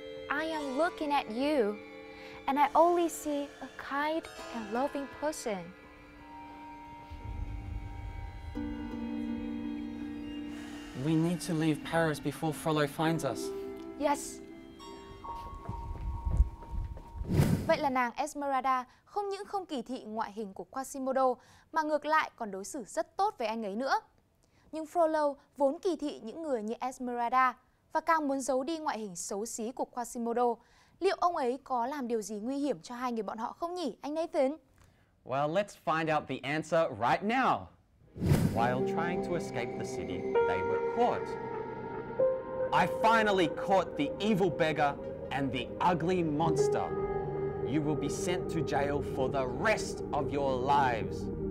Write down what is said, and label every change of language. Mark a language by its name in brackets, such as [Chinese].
[English] "I am looking at you and I only see a kind and loving person." "We need to leave Paris before Frollo finds us." "Yes." [Vietnamese] Vậy là nàng Esmeralda không những không kỳ thị ngoại hình của Quasimodo mà ngược lại còn đối xử rất tốt với anh ấy nữa. Nhưng Frollo vốn kỳ thị những người như Esmeralda và càng muốn giấu đi ngoại hình xấu xí của Quasimodo. Liệu ông ấy có làm điều gì nguy hiểm cho hai người bọn họ không nhỉ, anh Nathan? [English] Well, let's find out the answer right now. While trying to escape the city, they were caught. "I finally caught the evil beggar and the ugly monster. You will be sent to jail for the rest of your lives."